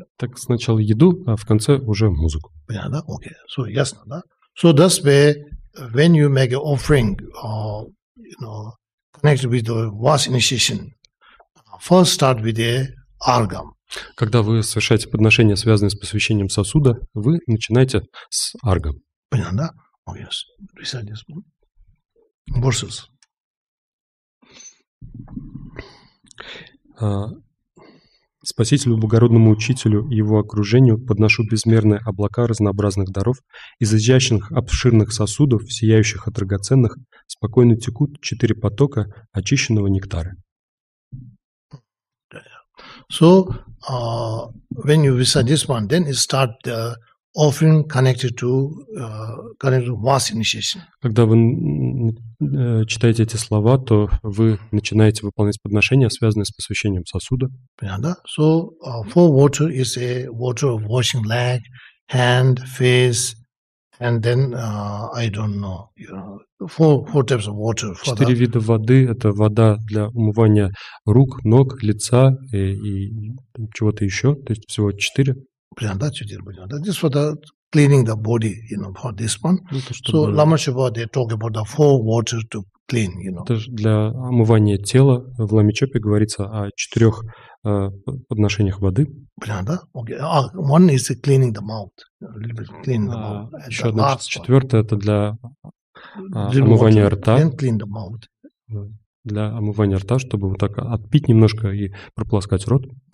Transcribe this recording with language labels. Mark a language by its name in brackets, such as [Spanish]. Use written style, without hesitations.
[Russian] Так сначала еду, а в конце уже музыку. Понятно? Okay. So ясно, да? [English] So that's where when you make an offering or you know connected with the vast initiation, first start with the argam. [Russian] Когда вы совершаете подношение, связанное с посвящением сосуда, вы начинаете с аргам. Понятно, да? [English] Oh, yes. Recite this one. Verses. [Russian] Спасителю, благородному учителю и его окружению подношу безмерные облака разнообразных даров из изящных обширных сосудов, сияющих от драгоценных, спокойно текут четыре потока очищенного нектара. [English] So, when you visit this one, then it start the offering connected to vast initiation. [Russian] Когда вы читаете эти слова, то вы начинаете выполнять подношения, связанные с посвящением сосуда. Понятно? [English] So, for water is a water of washing leg, hand, face, and then I don't know, you know. Four types of water. [Russian] Четыре вида воды – это вода для умывания рук, ног, лица и чего-то еще. То есть всего четыре. Понятно, четыре будет. [English] This for the cleaning the body, you know, for this one. So Lama Chöpa they talk about the four waters to clean, you know. [Russian] Это для омывания тела в Лама Чёпе говорится о четырех подношениях воды. Понятно. Okay. [English] One is the cleaning the mouth, a little bit cleaning the mouth. [Russian] Еще одна четвертая – это для омывание рта, для омывания рта, чтобы вот так отпить немножко и прополоскать рот.